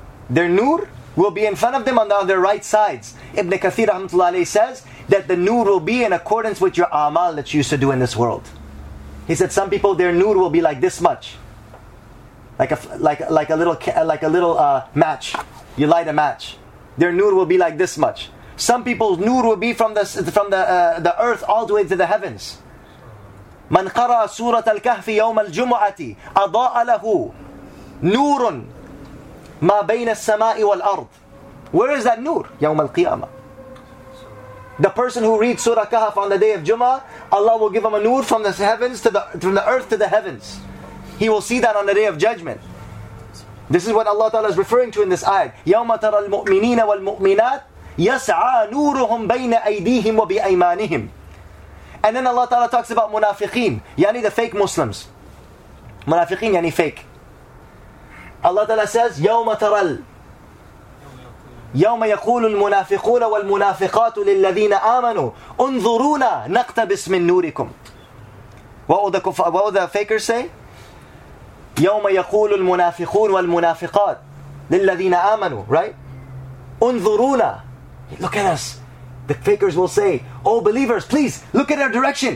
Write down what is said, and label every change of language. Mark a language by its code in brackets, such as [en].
[en] Their nur will be in front of them on their right sides. Ibn Kathir rahmatullah alayhi says that the nur will be in accordance with your amal that you used to do in this world. He said some people their nur will be like this much, like a little match. You light a match, their nur will be like this much. Some people's nur will be from the earth all the way to the heavens. [ar] من قرأ سورة الكهف يوم الجمعة أضاء له نور ما بين السماء والأرض. [en] Where is that nur? [ar] يوم القيامة. [en] The person who reads Surah Kahf on the day of Jummah, Allah will give him a nur from the heavens to the from the earth to the heavens. He will see that on the day of judgment. This is what Allah Ta'ala is referring to in this ayah. [ar] يَوْمَ تَرَى الْمُؤْمِنِينَ وَالْمُؤْمِنَاتِ يَسْعَى نُورُهُمْ بَيْنَ أَيْدِيهِمْ وَبِأَيْمَانِهِمْ. [en] And then Allah Ta'ala talks about munafiqeen, yani the fake Muslims. Munafiqeen, yani fake. Allah Ta'ala says, [ar] يَوْمَ تَرَى يَوْمَ يَقُولُ الْمُنَافِقُونَ وَالْمُنَافِقَاتُ لِلَّذِينَ آمَنُوا أُنظُرُونَا نَقْتَبِسْ مِنْ نُورِكُمْ. [en] What would the fakers say? [ar] يوم يقول المنافقون والمنافقات للذين آمنوا, [en] right? [ar] انظرونا. [en] Look at us. The fakers will say, oh believers, please look at our direction.